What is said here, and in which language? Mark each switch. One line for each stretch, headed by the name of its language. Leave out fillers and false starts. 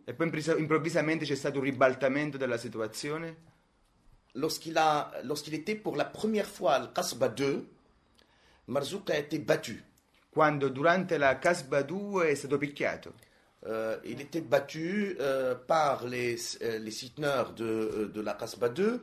Italian: E poi improvvisamente c'è stato un ribaltamento della situazione.
French: Lorsqu'il était pour la première fois al Kasba 2, Marzouk a été battu.
Italian: Quando durante la Kasba 2 è stato picchiato.
French: Il était battu par les soutiens de la Kasba 2.